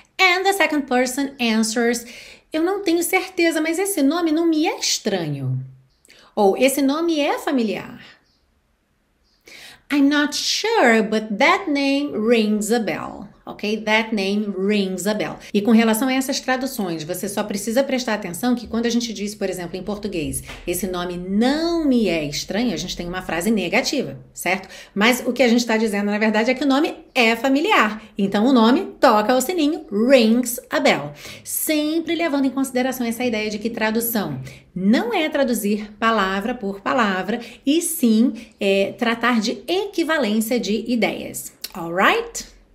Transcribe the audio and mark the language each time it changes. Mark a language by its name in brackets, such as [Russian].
[English] And the second person answers: [Portuguese] Eu não tenho certeza, mas esse nome não me é estranho. Ou esse nome é familiar. [English] I'm not sure, but that name rings a bell. Ok? That name rings a bell. [Portuguese] E com relação a essas traduções, você só precisa prestar atenção que quando a gente diz, por exemplo, em português, esse nome não me é estranho, a gente tem uma frase negativa, certo? Mas o que a gente está dizendo, na verdade, é que o nome é familiar. Então, o nome toca o sininho, [English] rings a bell. [Portuguese] Sempre levando em consideração essa ideia de que tradução não é traduzir palavra por palavra, e sim é tratar de equivalência de ideias. Alright?